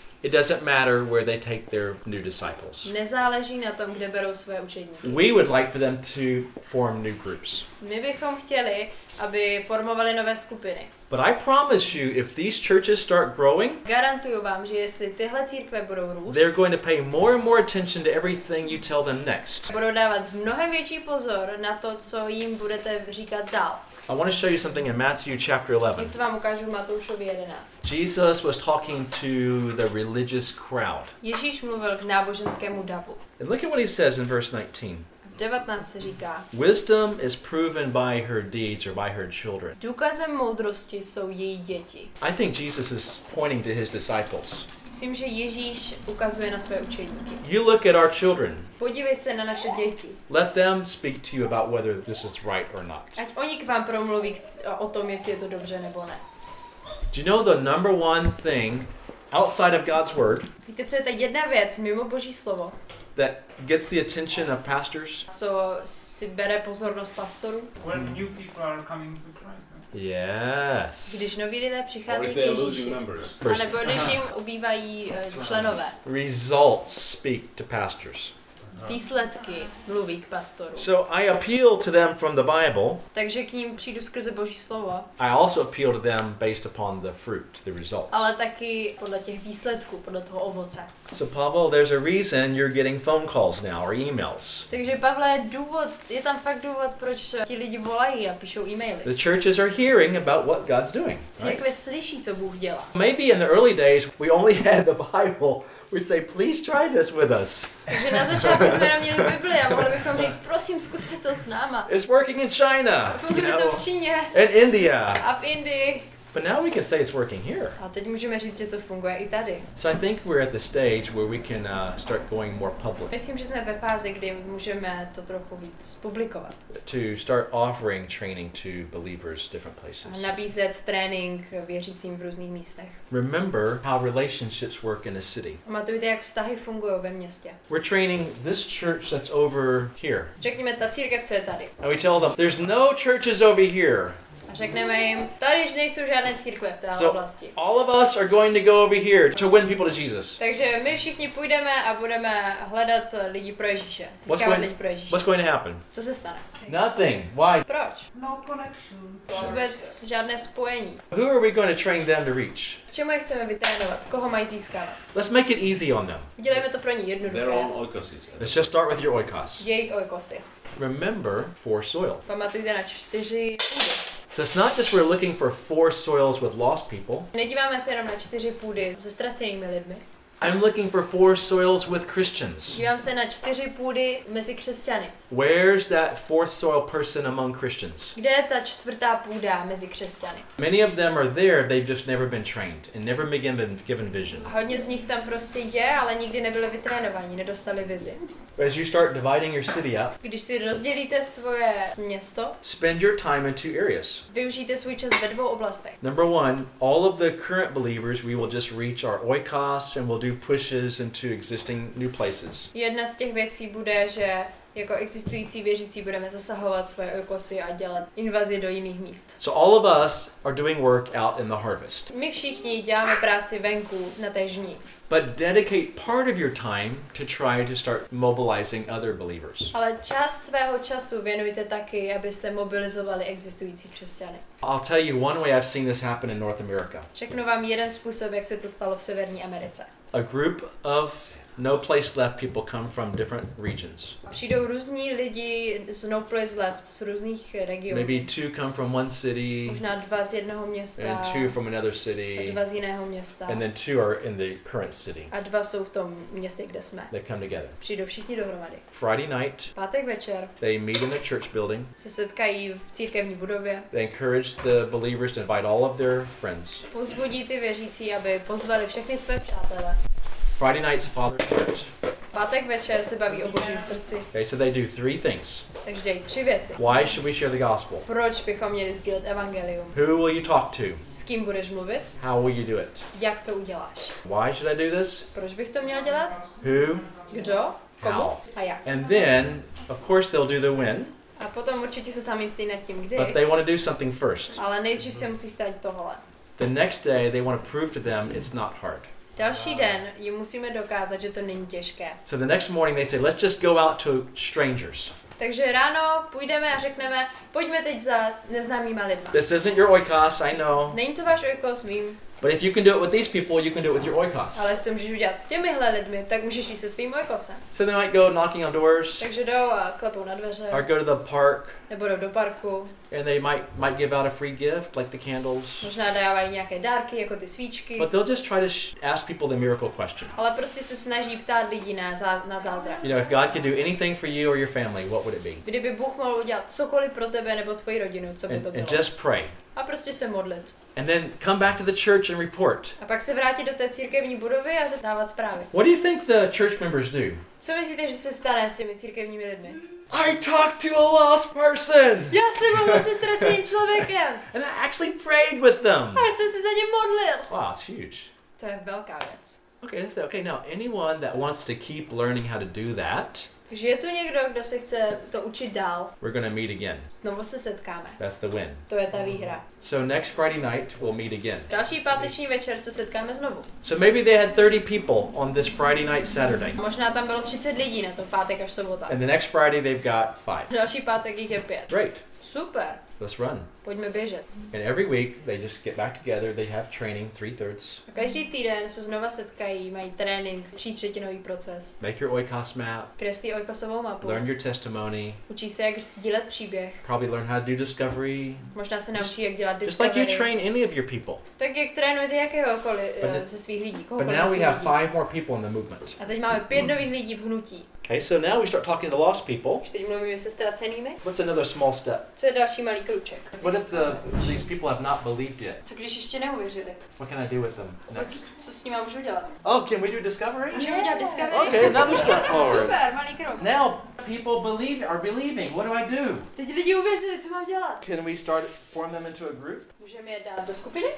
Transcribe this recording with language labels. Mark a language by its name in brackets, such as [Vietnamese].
[English] It doesn't matter where they take their new disciples. [Czech] Nezáleží na tom, kde berou svoje učedníky. [English] We would like for them to form new groups. [Czech] My bychom chtěli, aby formovali nové skupiny. [English] But I promise you, if these churches start growing, [Czech] garantuju vám, že jestli tyhle církve budou růst, [English] they're going to pay more and more attention to everything you tell them next. [Czech] Budou dávat mnohem větší pozor na to, co jim budete říkat dál. [English] I want to show you something in Matthew chapter 11. [Czech] Něco vám ukážu v Matoušovi 11. [English] Jesus was talking to the religious crowd. [Czech] Ježíš mluvil k náboženskému davu. [English] And look at what he says in verse 19. [Czech] 19 říká. [English] Wisdom is proven by her deeds or by her children. [Czech] Důkazem moudrosti jsou její děti. [English] I think Jesus is pointing to his disciples. [Czech] Myslím, že Ježíš ukazuje na své učeníky. [English] You look at our children. [Czech] Podívej se na naše děti. [English] Let them speak to you about whether this is right or not. [Czech] Ať oni k vám promluví o tom, jestli je to dobře nebo ne. [English] Do you know the number one thing outside of God's word? [Czech] Víte, co je ta jedna věc mimo Boží slovo? [English] That gets the attention of pastors. [Czech] So, si bere pozornost pastorů. [English] When new people are coming to Christ. Then. Yes. [Czech] Když noví lidé přichází k Ježíši. A nebo když jim ubývají členové. [English] Results speak to pastors. [Czech] Výsledky mluví k pastorům. [English] So I appeal to them from the Bible. [Czech] Takže k ním přijdu skrze Boží slovo. [English] I also appeal to them based upon the fruit, the results. [Czech] Ale taky podle těch výsledků, podle toho ovoce. [English] So Pavel, there's a reason you're getting phone calls now or emails. [Czech] Takže Pavle, je tam fakt důvod, proč ti lidi volají a píšou e-maily. [English] The churches are hearing about what God's doing. [Czech] Církve slyší, co Bůh dělá. [English] Maybe in the early days we only had the Bible. We'd say, please try this with us. [Czech] Takže na začátku jsme měli Bibli a mohli bychom říct, prosím, zkuste to s náma. [English] It's working in China. [Czech] Funguje to v Číně. [English] In India. [Czech] A v Indii. [English] But now we can say it's working here. [Czech] A teď můžeme říct, že to funguje i tady. [English] So I think we're at the stage where we can start going more public. [Czech] Myslím, že jsme ve fázi, kdy můžeme to trochu víc publikovat. [English] To start offering training to believers different places. [Czech] A nabízet trénink věřícím v různých místech. [English] Remember how relationships work in a city. [Czech] Pamatujte, jak vztahy fungují ve městě. [English] We're training this church that's over here. [Czech] Řekněme, ta církev, co je tady. [English] And we tell them, there's no churches over here. [Czech] A řekneme jim, tady už nejsou žádné církve v této oblasti. [English] So all of us are going to go over here to win people to Jesus. [Czech] Takže my všichni půjdeme a budeme hledat lidi pro Ježíše. [English] What's going to happen? [Czech] Co se stane? [English] Nothing. Why? [Czech] Proč? [English] No connection. [Czech] Vůbec žádné spojení. [English] Who are we going to train them to reach? [Czech] K čemu je chceme vytrénovat? Koho mají získávat? [English] Let's make it easy on them. [Czech] Udělejme to pro ně jednoduché. [English] Their own oikosis. Let's just start with your oikos. [Czech] Jejich oikosy. [English] Remember four soil. [Czech] Pamatujte na čtyři půdy. [English] So it's not just we're looking for four soils with lost people. [Czech] Nedíváme se jenom na čtyři půdy se ztracenými lidmi. [English] I'm looking for four soils with Christians. [Czech] Dívám se na čtyři půdy mezi křesťany. [English] Where's that fourth soil person among Christians? [Czech] Kde je ta čtvrtá půda mezi křesťany? [English] Many of them are there, they've just never been trained and never been given vision. [Czech] Hodně z nich tam prostě je, ale nikdy nebyli vytrénováni, nedostali vizi. [English] As you start dividing your city up, [Czech] když si rozdělíte svoje město, [English] spend your time in two areas. [Czech] Využijte svůj čas ve dvou oblastech. [English] Number one, all of the current believers, we will just reach our oikos and we'll do pushes into existing new places. [Czech] Jedna z těch věcí bude, že jako existující věřící budeme zasahovat svoje oikosy a dělat invazi do jiných míst. [English] So all of us are doing work out in the harvest. [Czech] My všichni děláme práci venku na té žni. [English] But dedicate part of your time to try to start mobilizing other believers. [Czech] Ale část svého času věnujte taky, abyste mobilizovali existující křesťany. [English] I'll tell you one way I've seen this happen in North America. [Czech] Řeknu vám jeden způsob, jak se to stalo v Severní Americe. [English] A group of No Place Left people come from different regions. [Czech] Přijdou různí lidi z No Place Left z různých regionů. [English] Maybe two come from one city. [Czech] Možná dva z jednoho města. [English] And two from another city. [Czech] A dva z jiného města. [English] And then two are in the current city. [Czech] A dva jsou v tom městě, kde jsme. [English] They come together. [Czech] Přijdou všichni dohromady. [English] Friday night. [Czech] Pátek večer. [English] They meet in a church building. [Czech] Se setkají v církevní budově. [English] They encourage the believers to invite all of their friends. [Czech] Pozbudí ty věřící, aby pozvali všechny své přátele. [English] Friday night's Father's Church. [Czech] Pátek večer se baví o Božím srdci. [English] Okay, so they do three things. [Czech] Takže dej tři věci. [English] Why should we share the gospel? [Czech] Proč bychom měli sdílet evangelium? [English] Who will you talk to? [Czech] S kým budeš mluvit? [English] How will you do it? [Czech] Jak to uděláš? [English] Why should I do this? [Czech] Proč bych to měl dělat? [English] Who? [Czech] Kdo? Komu? A jak? [English] And then, of course, they'll do the when. [Czech] A potom určitě se sami stejně nad tím, kdy. [English] But they want to do something first. [Czech] Ale nejdřív se musí stát tohle. [English] The next day, they want to prove to them it's not hard. [Czech] Další den jim musíme dokázat, že to není těžké. [English] So the next morning they say, let's just go out to strangers. [Czech] Takže ráno půjdeme a řekneme, pojďme teď za neznámýma lidma. [English] This isn't your oikos, I know. [Czech] Není to váš oikos, vím. [English] But if you can do it with these people, you can do it with your oikos. [Czech] Ale jestli to můžeš udělat s těmihle lidmi, tak můžeš jít se svým oikosem. [English] So they might go knocking on doors. [Czech] Takže jdou a klepou na dveře. [English] Or go to the park. [Czech] Nebo jdou do parku. [English] And they might give out a free gift, like the candles. [Czech] Možná dávají nějaké dárky, jako ty svíčky. [English] But they'll just try to ask people the miracle question. [Czech] Ale prostě se snaží ptát lidi na zázrak. [English] You know, if God could do anything for you or your family, what would it be? [Czech] Kdyby Bůh mohl udělat cokoliv pro tebe nebo tvoji rodinu, co by to bylo? [English] And just pray. [Czech] A prostě se modlit. [English] And then come back to the church and report. [Czech] A pak se vrátit do té církevní budovy a dávat zprávy. [English] What do you think the church members do? [Czech] Co myslíte, že se stane s těmi církevními lidmi? [English] I talked to a lost person. [Czech] Já jsem mluvil se ztraceným člověkem. [English] And I actually prayed with them. [Czech] A já jsem se za ně modlil. [English] Wow, that's huge. [Czech] To je velká věc. [English] Okay, so okay, now anyone that wants to keep learning how to do that. [Czech] Takže je tu někdo, kdo se chce to učit dál. [English] We're gonna meet again. [Czech] Znovu se setkáme. [English] That's the win. [Czech] To je ta výhra. [English] So next Friday night we'll meet again. [Czech] Další páteční večer se setkáme znovu. [English] So maybe they had 30 people on this Friday night Saturday. [Czech] Možná tam bylo 30 lidí na to pátek až sobota. [English] And the next Friday they've got 5. [Czech] Další pátek jich je 5. [English] Great. [Czech] Super. [English] Let's run. [Czech] Pojďme běžet. [English] And every week they just get back together, they have training 3/3. [Czech] A každý týden se znova setkají, mají trénink, 3/3 proces. [English] Make your oikos map. [Czech] Kreslí oikosovou mapu. [English] Learn your testimony. [Czech] Učí se, jak sdílet příběh. [English] Probably learn how to do discovery. [Czech] Možná se naučí, jak dělat discovery. [English] Just like you train any of your people. [Czech] Tak jak trénujete jakéhokoliv ze svých lidí. [English] But now we have 5 more people in the movement. [Czech] A teď máme 5 nových lidí v hnutí. [English] Okay, so now we start talking to lost people. [Czech] Teď mluvíme se ztracenými. [English] What's another small step? [Czech] Co je další malý kruček? [English] What if these people have not believed yet? [Czech] Co když ještě neuvěřili? [English] What can I do with them next? [Czech] Co s nima můžu dělat? [English] Oh, can we do discovery? [Czech] Můžeme udělat discovery? [English] Okay, another step forward. [Czech] Super, malý krok. [English] Now people believe are believing. What do I do? [Czech] Teď lidi uvěřili, co mám dělat? [English] Can we start form them into a group? [Czech] Můžeme je dát do skupiny?